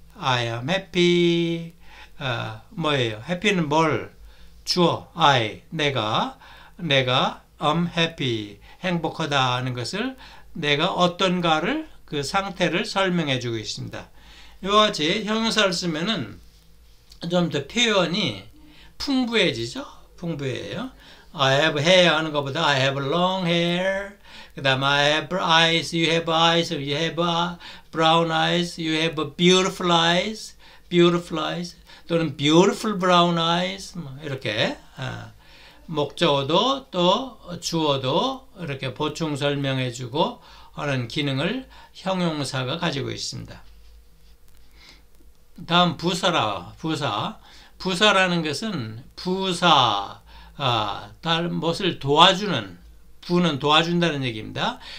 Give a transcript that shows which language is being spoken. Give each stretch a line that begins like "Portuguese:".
English: I am happy.
Korean: 뭐예요? happy는 뭘? 주어. I. 내가. 내가 am happy. 행복하다 하는 것을 내가 어떤가를 그 상태를 설명해 주고 있습니다. 이와 같이 형용사를 쓰면은 좀 더 표현이 풍부해지죠. 풍부해요.
English: I have hair
Korean: 하는 것보다
English: I have long hair.
Korean: 그 다음
English: I have eyes. You have eyes. You have brown eyes. You have beautiful eyes. Beautiful eyes.
Korean: 또는
English: beautiful brown eyes.
Korean: 이렇게 목적어도 또 주어도 이렇게 보충 설명해 주고 하는 기능을 형용사가 가지고 있습니다. 다음 부사라. 부사. 부사라는 것은 부사, 다른 것을 도와주는, 부는 도와준다는 얘기입니다.